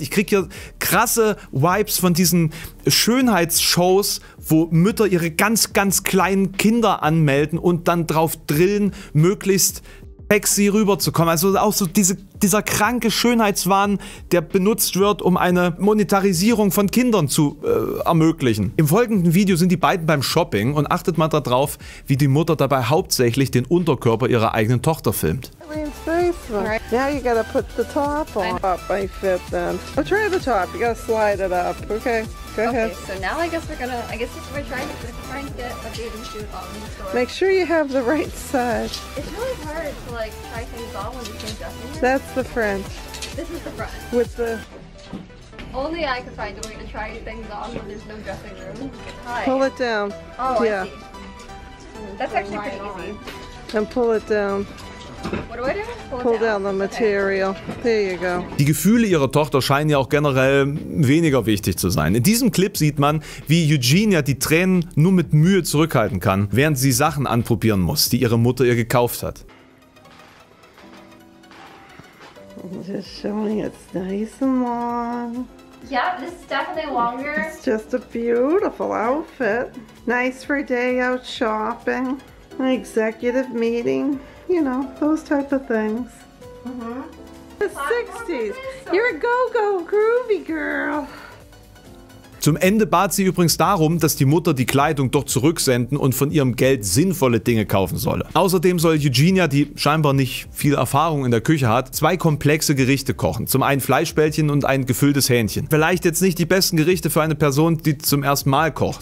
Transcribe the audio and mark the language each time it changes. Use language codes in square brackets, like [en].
[de] Ich kriege hier krasse Vibes von diesen Schönheitsshows, wo Mütter ihre ganz, ganz kleinen Kinder anmelden und dann drauf drillen, möglichst sexy rüberzukommen. Also auch so dieser kranke Schönheitswahn, der benutzt wird, um eine Monetarisierung von Kindern zu ermöglichen. Im folgenden Video sind die beiden beim Shopping und achtet mal darauf, wie die Mutter dabei hauptsächlich den Unterkörper ihrer eigenen Tochter filmt. [en] Now you gotta put the top on. I fit then. I'll try the top. You gotta slide it up. Okay. Go ahead. Okay, so now I guess we're trying to get a bathing suit on. Make sure you have the right size. It's really hard to like try things on when you change dressing. That's the front. This is the front. With the only I can find a way to try things on when there's no dressing room. Pull it down. Oh yeah. I see. That's actually right pretty on. Easy. And pull it down. What do I do? Pull down the material. There you go. [de] Die Gefühle ihrer Tochter scheinen ja auch generell weniger wichtig zu sein. In diesem Clip sieht man, wie Eugenia die Tränen nur mit Mühe zurückhalten kann, während sie Sachen anprobieren muss, die ihre Mutter ihr gekauft hat. [en] I'm just showing it's nice and long. Yeah, this is definitely longer. It's just a beautiful outfit. Nice for day out shopping. An executive meeting. You know, those type of things. Mm-hmm. The 60s. You're a go-go groovy girl. [de] Zum Ende bat sie übrigens darum, dass die Mutter die Kleidung doch zurücksenden und von ihrem Geld sinnvolle Dinge kaufen solle. Außerdem soll Eugenia, die scheinbar nicht viel Erfahrung in der Küche hat, 2 komplexe Gerichte kochen. Zum einen Fleischbällchen und ein gefülltes Hähnchen. Vielleicht jetzt nicht die besten Gerichte für eine Person, die zum ersten Mal kocht.